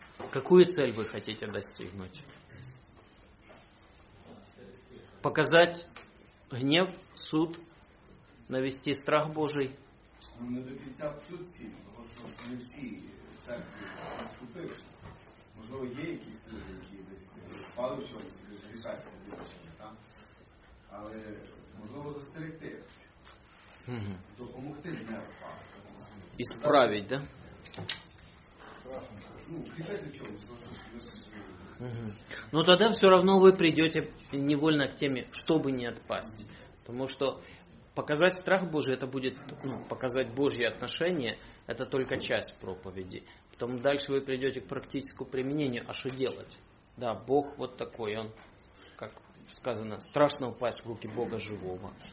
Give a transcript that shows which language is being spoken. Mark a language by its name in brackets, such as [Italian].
[Russian] Какую цель вы хотите достигнуть? Показать гнев, суд, навести страх Божий? [Ukrainian] Не до кінця все-таки, тому що не всі так відступили. Можливо, є якісь люди, які десь впали в чомусь, зрікаються дивачення, так? Але можливо застерегти, допомогти не впасти. І справить, так? Ну, кріпити в чомусь, тому що не Ну, тоді все одно ви прийдете невольно к темі, щоб не відпасти. Тому що [Russian] показать страх Божий, это будет, ну, показать Божье отношение, это только часть проповеди. Потом дальше вы придете к практическому применению, а что делать? Да, Бог вот такой, он, как сказано, страшно упасть в руки Бога живого.